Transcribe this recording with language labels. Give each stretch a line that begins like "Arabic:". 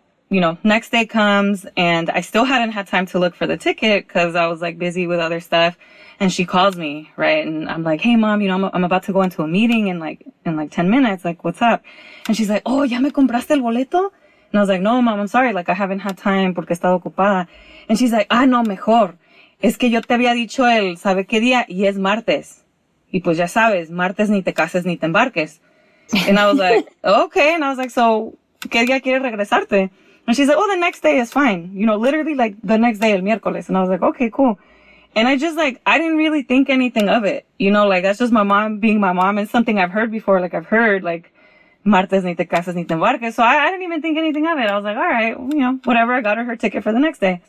English: You know, next day comes and I still hadn't had time to look for the ticket because I was like busy with other stuff. And she calls me, right? And I'm like, hey, mom, you know, I'm about to go into a meeting in like 10 minutes. Like, what's up? And she's like, oh,
Spanish: ¿ya me compraste el boleto?
English: And I was like, no, mom, I'm sorry. Like, I haven't had time
Spanish: porque he estado ocupada.
English: And she's like, ah, no, mejor.
Spanish: Es que yo te había dicho el, ¿sabe qué día? Y es martes. Y pues ya sabes, martes ni te cases ni te embarques.
English: And I was like, okay. And I was like, so,
Spanish: ¿qué día quieres regresarte?
English: And she's like, oh, the next day is fine. You know, literally like the next day,
Spanish: el miércoles.
English: And I was like, okay, cool. And I just like, I didn't really think anything of it. You know, like that's just my mom being my mom. It's something I've heard before. Like I've heard like,
Spanish: martes ni te cases ni te embarques.
English: So I didn't even think anything of it. I was like, all right, well, you know, whatever. I got her ticket for the next day.